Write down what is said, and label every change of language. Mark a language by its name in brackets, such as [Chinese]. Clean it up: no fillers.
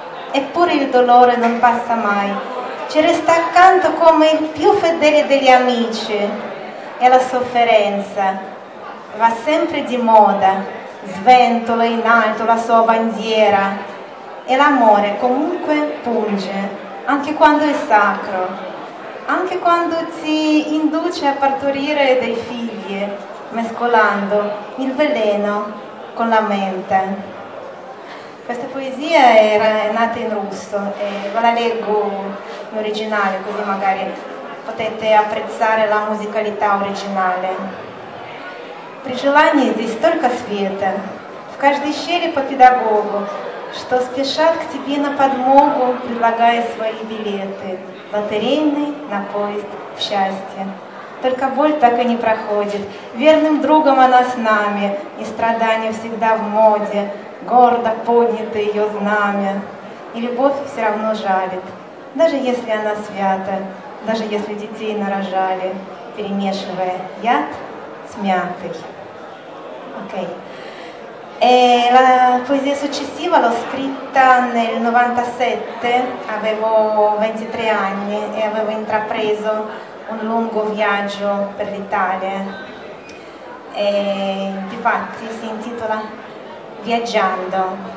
[Italian] Eppure il dolore non passa mai, ci resta accanto come il più fedele degli amici, e la sofferenza va sempre di moda, sventola in alto la sua bandiera, e l'amore comunque punge, anche quando è sacro, anche quando ti induce a partorire dei figli, mescolando il veleno con la mente. Questa poesia era nata in russo e ve la leggo in originale, così magari potete apprezzare la musicalità originale. [Russian] При желании здесь столько света, в каждой щели по педагогу, что спешат к тебе на подмогу, предлагая свои билеты, лотерейный на поезд в счастье. Только боль так и не проходит. Верным другом она с нами, и страдания всегда в моде, гордо поднято ее знамя. И любовь все равно жалит, даже если она свята, даже если детей нарожали, перемешивая яд с мятой. Окей. [Italian] E la poesia successiva l'ho scritta nel 97, avevo 23 anni e avevo intrapreso un lungo viaggio per l'Italia. E difatti si intitola Viaggiando.